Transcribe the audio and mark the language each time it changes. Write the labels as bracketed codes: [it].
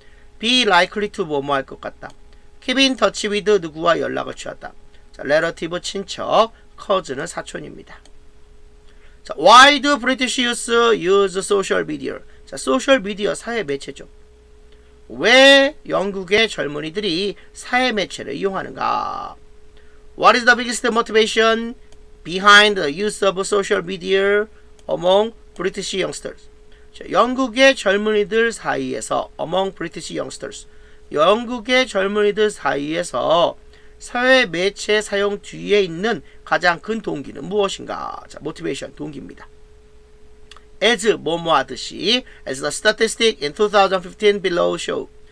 [en] Be likely to [ko] 뭐뭐 할 것 같다. [en] Keep in touch with [ko] 누구와 연락을 취했다. [en] 자, relative 친척, [ko] cousin은 사촌입니다. [en] 자, why do British youths use social media? [ko] 자, social media 사회 매체죠. 왜 영국의 젊은이들이 사회 매체를 이용하는가? [en] What is the biggest motivation behind the use of social media among British youngsters? [ko] 자, 영국의 젊은이들 사이에서, [en] among British youngsters. [ko] 영국의 젊은이들 사이에서 사회 매체 사용 뒤에 있는 가장 큰 동기는 무엇인가? 자, motivation, 동기입니다. [en] As, [ko] 뭐뭐 하듯이, [en] as the statistic in 2015 below show.